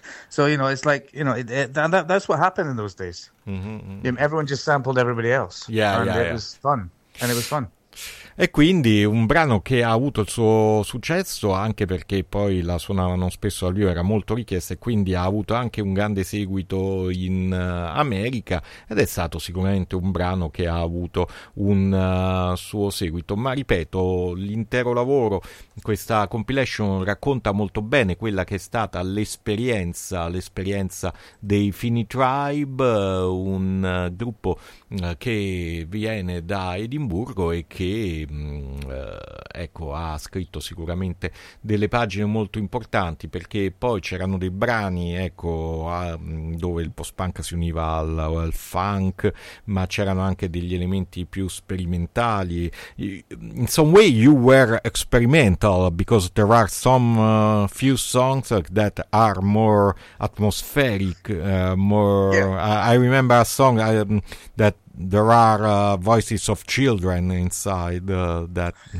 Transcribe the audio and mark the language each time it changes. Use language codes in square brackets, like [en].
[en] So you know, it's like, you know, that's what happened in those days. Mm-hmm. You know, everyone just sampled everybody else. It was fun. [it] E quindi un brano che ha avuto il suo successo, anche perché poi la suonavano spesso al vivo, era molto richiesta, e quindi ha avuto anche un grande seguito in America, ed è stato sicuramente un brano che ha avuto un suo seguito. Ma ripeto, l'intero lavoro, questa compilation, racconta molto bene quella che è stata l'esperienza dei Fini Tribe, un gruppo che viene da Edimburgo e che ecco, ha scritto sicuramente delle pagine molto importanti, perché poi c'erano dei brani, ecco, dove il post-punk si univa al funk, ma c'erano anche degli elementi più sperimentali. [en] In some way you were experimental, because there are some few songs that are more atmospheric, yeah. I remember a song that there are voices of children inside that.